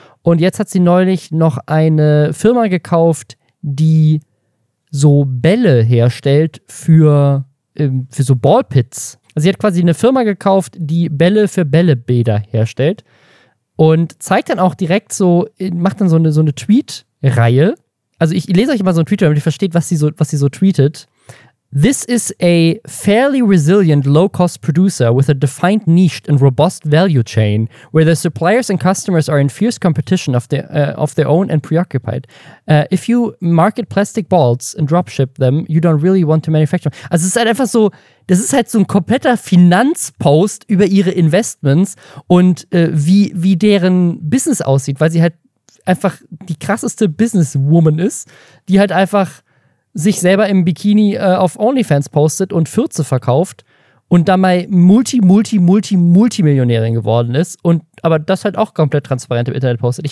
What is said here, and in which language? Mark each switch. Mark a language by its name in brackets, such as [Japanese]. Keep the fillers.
[German] Und jetzt hat sie neulich noch eine Firma gekauft, die so Bälle herstellt für, ähm, für so Ballpits. Also sie hat quasi eine Firma gekauft, die Bälle für Bällebäder herstellt. Und zeigt dann auch direkt so, macht dann so eine, so eine Tweet-Reihe. Also ich lese euch immer so einen Tweet, damit ihr versteht, was sie so, was sie so tweetet. [English] This is a fairly resilient low cost producer with a defined niche and robust value chain where the suppliers and customers are in fierce competition of their, uh, of their own and preoccupied. Uh, if you market plastic balls and drop ship them, you don't really want to manufacture. [German] Also, es ist halt einfach so, das ist halt so ein kompletter Finanzpost über ihre Investments und äh, wie, wie deren Business aussieht, weil sie halt einfach die krasseste Businesswoman ist, die halt einfach sich selber im Bikini äh, auf OnlyFans postet und Fürze verkauft und dabei Multi, Multi, Multi, Multimillionärin geworden ist und aber das halt auch komplett transparent im Internet postet.